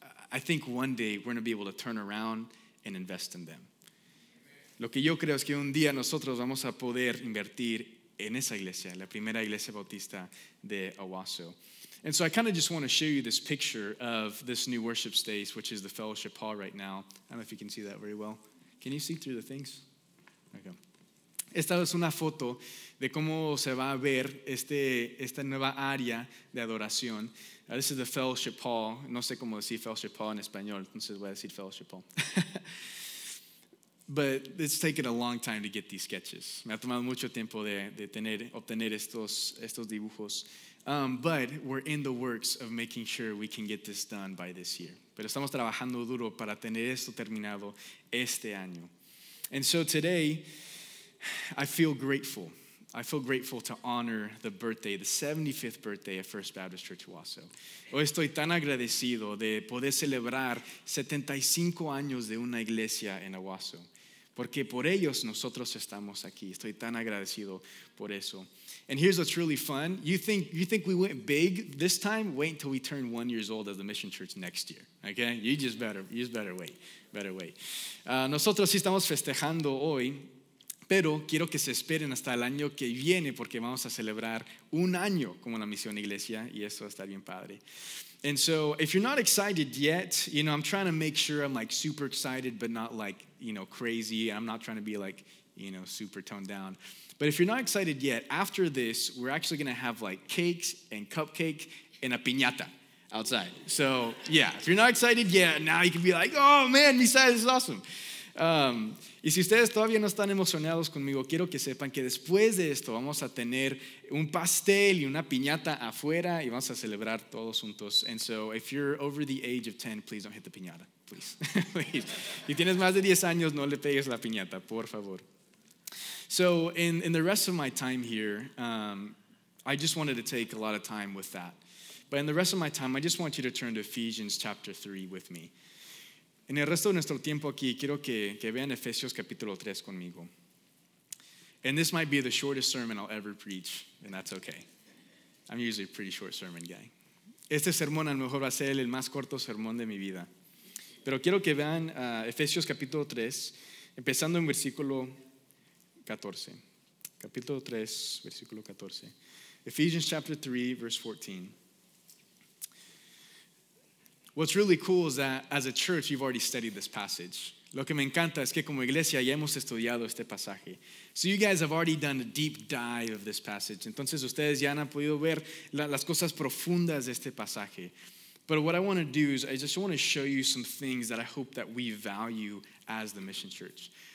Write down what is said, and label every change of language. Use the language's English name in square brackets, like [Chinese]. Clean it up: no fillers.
[English] I think one day we're going to be able to turn around and invest in them. [Spanish] Lo que yo creo es que un día nosotros vamos a poder invertir en esa iglesia, la primera iglesia bautista de Owosso. [English] And so I kind of just want to show you this picture of this new worship space, which is the fellowship hall right now. I don't know if you can see that very well. Can you see through the things? Okay. [Spanish] Esta es una foto de cómo se va a ver esta nueva área de adoración. [English] This is the fellowship hall. [Spanish] No sé cómo decir fellowship hall en español, entonces voy a decir fellowship hall. [English] But it's taken a long time to get these sketches. [Spanish] Me ha tomado mucho tiempo de obtener estos dibujos. [English] But we're in the works of making sure we can get this done by this year. [Spanish] Pero estamos trabajando duro para tener esto terminado este año. [English] And so today, I feel grateful. I feel grateful to honor the birthday, the 75th birthday of First Baptist Church Owosso. [Spanish] Hoy estoy tan agradecido de poder celebrar 75 años de una iglesia en Owosso. Porque por ellos nosotros estamos aquí. Estoy tan agradecido por eso. [English] And here's what's really fun. You think we went big this time? Wait until we turn 1 year old as the mission church next year. Okay? You just better wait. [Spanish] Nosotros sí estamos festejando hoy, pero quiero que se esperen hasta el año que viene porque vamos a celebrar un año como la misión iglesia y eso va a estar bien padre. [English] And so, if you're not excited yet, you know, I'm trying to make sure I'm like super excited, but not like, you know, crazy. I'm not trying to be like, you know, super toned down. But if you're not excited yet, after this, we're actually going to have like cakes and cupcake and a piñata outside. So, yeah, if you're not excited yet, now you can be like, oh man, Misael, this is awesome. [Spanish] Y si ustedes todavía no están emocionados conmigo, quiero que sepan que después de esto vamos a tener un pastel y una piñata afuera y vamos a celebrar todos juntos. [English] And so if you're over the age of 10, please don't hit the piñata, please. Please. [Spanish] Si tienes más de 10 años, no le pegues la piñata, por favor. [English] So in the rest of my time here, I just wanted to take a lot of time with that. But in the rest of my time, I just want you to turn to Ephesians chapter 3 with me. [Spanish] En el resto de nuestro tiempo aquí, quiero que vean Efesios capítulo 3 conmigo. [English] And this might be the shortest sermon I'll ever preach, and that's okay. I'm usually a pretty short sermon guy. [Spanish] Este sermón a lo mejor va a ser el más corto sermón de mi vida. Pero quiero que vean Efesios capítulo 3, empezando en versículo 14. Capítulo 3, versículo 14. [English] Ephesians chapter 3, verse 14. What's really cool is that as a church, you've already studied this passage. [Spanish] Lo que me encanta es que como iglesia ya hemos estudiado este pasaje. [English] So you guys have already done a deep dive of this passage. [Spanish] Entonces ustedes ya han podido ver las cosas profundas de este pasaje. [English] But what I want to do is I just want to show you some things that I hope that we value as the mission church.